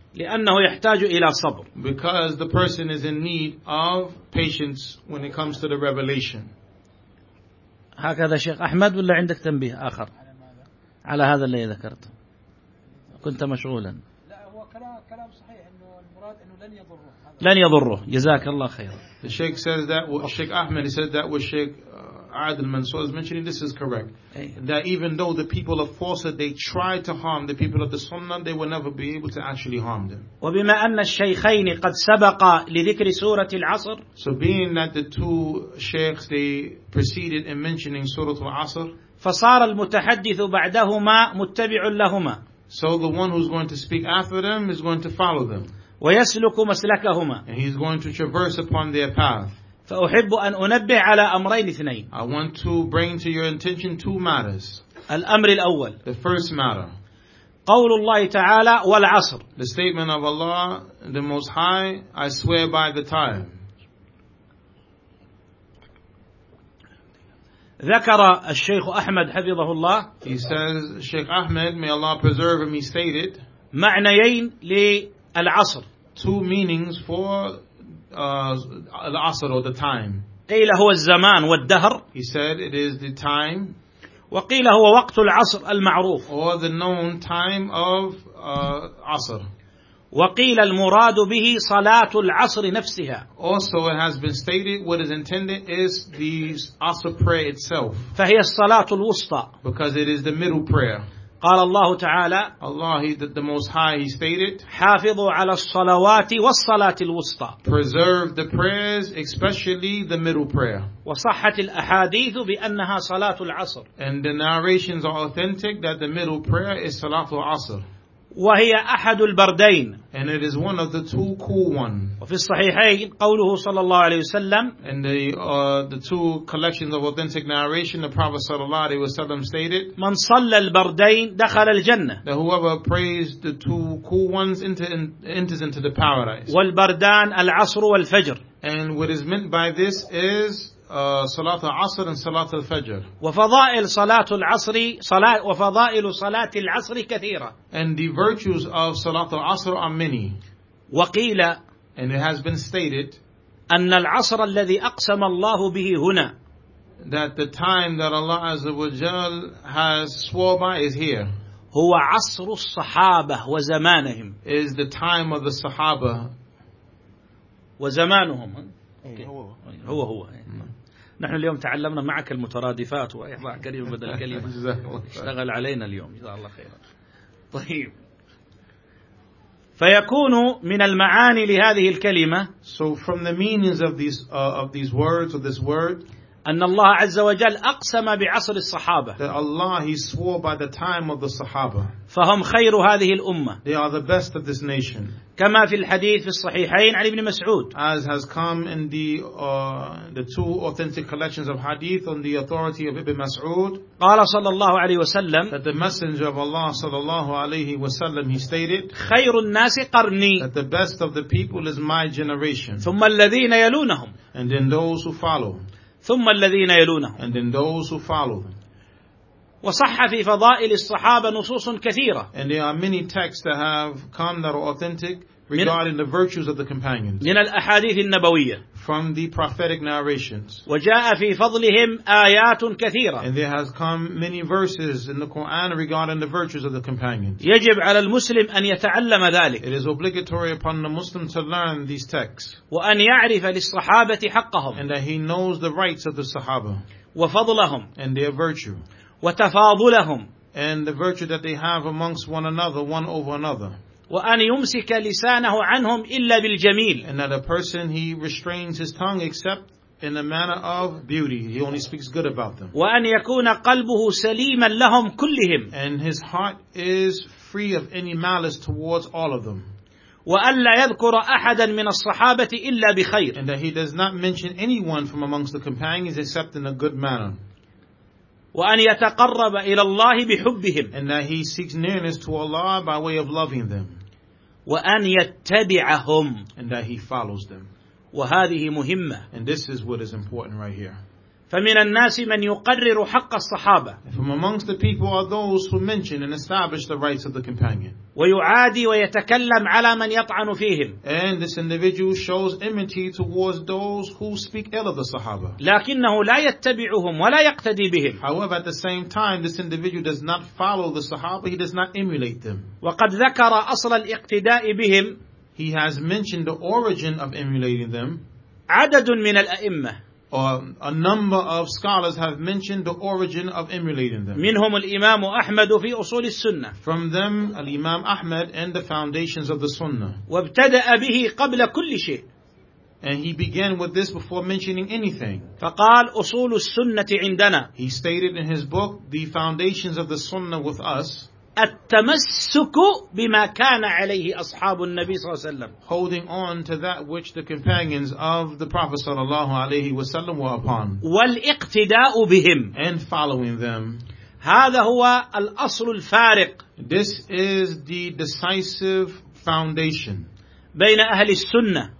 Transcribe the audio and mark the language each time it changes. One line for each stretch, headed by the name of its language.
Arabic: لأنه يحتاج إلى صبر.
English: Because the person is in need of patience when it comes to the revelation.
Arabic: هكذا شيخ أحمد ولا عندك تنبيه آخر على هذا اللي ذكرته؟ كنت مشغولا. لا هو كلام صحيح إنه المراد إنه لن يضره. لن يضره. جزاك الله خير.
English: The Sheikh says that. Sheikh Ahmed said that with Sheikh Adil Mansour is mentioning this is correct. That even though the people of Fawcett they try to harm the people of the Sunnah, they will never be able to actually harm them.
Arabic: وبما أن الشيخين قد سبق لذكر سورة العصر.
English: So being that the two sheikhs they preceded in mentioning Surah Al-Asr.
Arabic: فصار المتحدث بعدهما متبع لهما.
English: So the one who's going to speak after them is going to follow them.
Arabic: ويسلك مسلكهما.
English: And he's going to traverse upon their path.
Arabic: فأحب أن أنبه على أمرين اثنين.
English: I want to bring to your intention two matters.
Arabic: الأمر الأول.
English: The first matter.
Arabic: قول الله تعالى والعصر.
English: The statement of Allah, the Most High, I swear by the time.
Arabic: ذكر الشيخ أحمد حفظه الله.
English: He says, Sheikh Ahmed, may Allah preserve him, he stated.
Arabic: معنيين للعصر.
English: Two meanings for العصر or the time.
Arabic: قيل هو الزمان والدهر.
English: He said it is the time.
Arabic: وقيل هو وقت العصر المعروف.
English: Or the known time of عصر.
Arabic: وقيل المراد به صلاة العصر نفسها.
English: Also it has been stated what is intended is the عصر prayer itself.
Arabic: فهي الصلاة الوسطى.
English: Because it is the middle prayer.
Arabic: قال الله تعالى
English: Allah the Most High He stated
Arabic: حافظوا على الصلوات والصلاة الوسطى
English: preserve the prayers especially the middle prayer
Arabic: وصحة الأحاديث بأنها صلاة العصر
English: and the narrations are authentic that the middle prayer is صلاة العصر
Arabic: وهي أحد البردين
English: and it is one of the two cool ones
Arabic: وفي الصحيحين قوله صلى الله عليه وسلم
English: and the two collections of authentic narration the Prophet
Arabic: صلى الله عليه وسلم
English: stated
Arabic: من صلى البردين دخل الجنة
English: that whoever prays the two cool ones enters into the paradise
Arabic: والبردان العصر والفجر
English: and what is meant by this is صلاة العصر and صلاة الفجر
Arabic: وفضائل صلاة العصر صلاة وفضائل صلاة العصر كثيرة
English: and the virtues of صلاة العصر are many
Arabic: وقيل
English: and it has been stated
Arabic: أن العصر الذي أقسم الله به هنا
English: that the time that Allah Azza wa Jal has swore by is here
Arabic: هو عصر الصحابة وزمانهم is the time of the صحابة وزمانهم
English: Okay.
Arabic: هو هو نحن اليوم تعلمنا معك المترادفات وإضاء كلمة بدل كلمة اشتغل علينا اليوم جزاه الله خيرا طيب فيكون من المعاني لهذه الكلمة
English: so from the meanings of these words or this word
Arabic: أن الله عز وجل أقسم بعصر الصحابة
English: that Allah he swore by the time of the Sahaba
Arabic: فهم خير هذه الأمة
English: they are the best of this nation
Arabic: كما في الحديث في الصحيحين علي بن مسعود
English: as has come in the two authentic collections of hadith on the authority of Ibn Mas'ud
Arabic: قال صلى الله عليه وسلم
English: that the messenger of Allah
Arabic: صلى الله عليه وسلم
English: he stated
Arabic: خير الناس قرني
English: that the best of the people is my generation
Arabic: ثم الذين يلونهم
English: and then those who follow
Arabic: ثم الذين يلونهم
English: and then those who follow
Arabic: وصح في فضائل الصحابة نصوص كثيرة.
English: And there are many texts that have come that are authentic regarding the virtues of the companions.
Arabic: من الأحاديث النبوية.
English: From the prophetic narrations.
Arabic: وجاء في فضلهم آيات كثيرة.
English: And there has come many verses in the Quran regarding the virtues of the companions.
Arabic: يجب على المسلم أن يتعلم ذلك.
English: It is obligatory upon the Muslim to learn these texts.
Arabic: وأن يعرف للصحابة حقهم.
English: And that he knows the rights of the Sahaba.
Arabic: وفضلهم.
English: And their virtue.
Arabic: وتفاضلهم.
English: And the virtue that they have amongst one another, one over another.
Arabic: وأن يمسك لسانه عنهم إلا بالجميل.
English: And that a person he restrains his tongue except in the manner of beauty. He only speaks good about them.
Arabic: وأن يكون قلبه سليما لهم كلهم.
English: And his heart is free of any malice towards all of them.
Arabic: وأن لا يذكر أحدا من الصحابة إلا بخير.
English: And that he does not mention anyone from amongst the companions except in a good manner.
Arabic: وأن يتقرب إلى الله بحبهم.
English: And that he seeks nearness to Allah by way of loving them.
Arabic: وأن يتبعهم.
English: And that he follows them.
Arabic: وهذه مهمة.
English: And this is what is important right here.
Arabic: فمن الناس من يقرر حق الصحابة.
English: And from amongst the people are those who mention and establish the rights of the companion.
Arabic: ويعادي ويتكلم على من يطعن فيهم.
English: And this individual shows enmity towards those who speak ill of the Sahaba.
Arabic: لكنه لا يتبعهم ولا يقتدي بهم.
English: However, at the same time, this individual does not follow the Sahaba. He does not emulate them.
Arabic: وقد ذكر أصل الاقتداء بهم.
English: He has mentioned the origin of emulating them.
Arabic: عدد من الأئمة.
English: Or a number of scholars have mentioned the origin of emulating them.
Arabic: منهم الإمام أحمد في أصول السنة.
English: From them, Imam Ahmad and the foundations of the Sunnah.
Arabic: وابتدأ به قبل كل شيء.
English: And he began with this before mentioning anything.
Arabic: فقال أصول السنة عندنا.
English: He stated in his book, "The foundations of the Sunnah with us."
Arabic: التمسك بما كان عليه أصحاب النبي صلى الله عليه وسلم.
English: Holding on to that which the companions of the Prophet
Arabic: صلى الله عليه وسلم
English: were upon.
Arabic: والاقتداء بهم.
English: And following them.
Arabic: هذا هو الأصل الفارق.
English: This is the decisive foundation.
Arabic: بين أهل السنة.